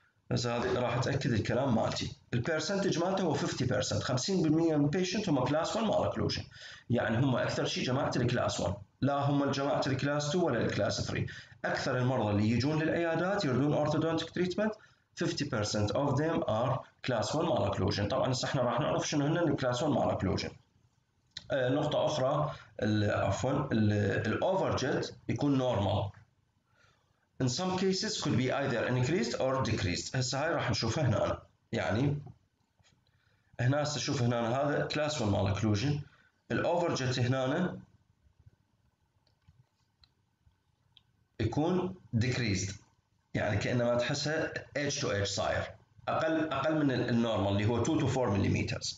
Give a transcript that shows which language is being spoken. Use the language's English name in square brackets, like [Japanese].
[Arabic] بس هذه راح اتاكد الكلام مالتي. البرسنتج مالته هو 50%، 50% من البيشنت هم كلاس 1 مالوكلوجن، يعني هم اكثر شيء جماعه الكلاس 1، لا هم جماعه الكلاس 2 ولا الكلاس 3. اكثر المرضى اللي يجون للعيادات يردون اورثودونتيك تريتمنت [English] 50% of them are class 1 malocclusion. [Arabic] طبعا احنا راح نعرف شنو هن الكلاس 1 malocclusion. نقطه اخرى، عفوا، الاوفرجيت يكون نورمال، [English] in some cases could be either increased or decreased. [Arabic] هسه هاي راح نشوفها هنا، يعني هنا تشوف هنا هذا class 1 malocclusion، الاوفرجيت هنا يكون decreased، يعني كأنما تحسها H to H صاير أقل من النورمال اللي هو 2 to 4 مليمتر.